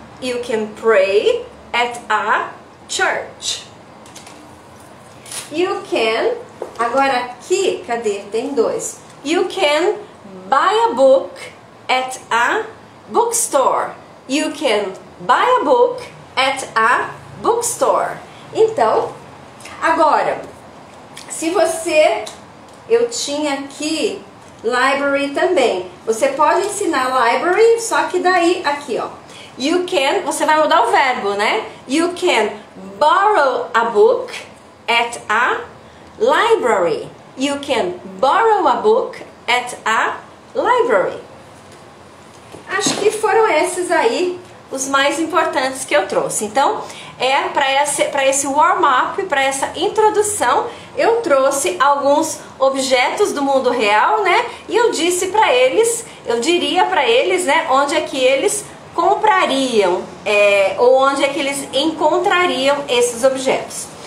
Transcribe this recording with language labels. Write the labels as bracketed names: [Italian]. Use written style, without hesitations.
[English] You can pray at a church. You can, [Portuguese] agora aqui, cadê? Tem dois. [English] You can buy a book at a bookstore. You can buy a book at a bookstore. [Portuguese] Então, agora, se você, eu tinha aqui library também. Você pode ensinar library, só que daí, aqui, ó. [English] You can, [Portuguese] você vai mudar o verbo, né? [English] You can borrow a book at a library. You can borrow a book at a library. [Portuguese] Acho que foram esses aí os mais importantes que eu trouxe. Então, é para esse warm-up, para essa introdução, eu trouxe alguns objetos do mundo real, né? E eu disse para eles, eu diria para eles, né? Onde é que eles comprariam, ou onde é que eles encontrariam esses objetos.